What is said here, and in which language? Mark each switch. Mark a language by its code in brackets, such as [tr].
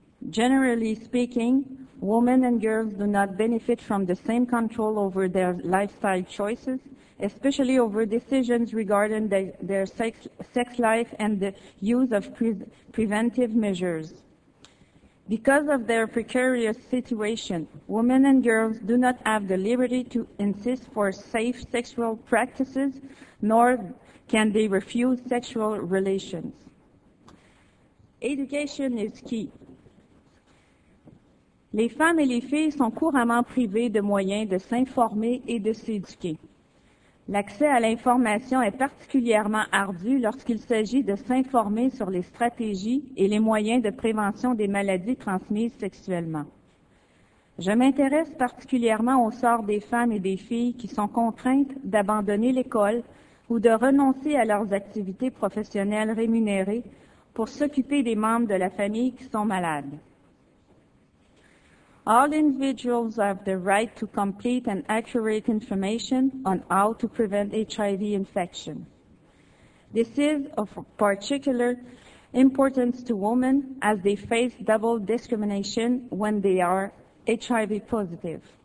[en] Generally speaking, women and girls do not benefit from the same control over their lifestyle choices, especially over decisions regarding their sex life and the use of preventive measures. Because of their precarious situation, women and girls do not have the liberty to insist for safe sexual practices, nor can they refuse sexual relations. Education is key. [fr] Les femmes et les filles sont couramment privées de moyens de s'informer et de s'éduquer. L'accès à l'information est particulièrement ardu lorsqu'il s'agit de s'informer sur les stratégies et les moyens de prévention des maladies transmises sexuellement. Je m'intéresse particulièrement au sort des femmes et des filles qui sont contraintes d'abandonner l'école ou de renoncer à leurs activités professionnelles rémunérées pour s'occuper des membres de la famille qui sont malades. [en] All individuals have the right to complete and accurate information on how to prevent HIV infection. This is of particular importance to women as they face double discrimination when they are HIV positive.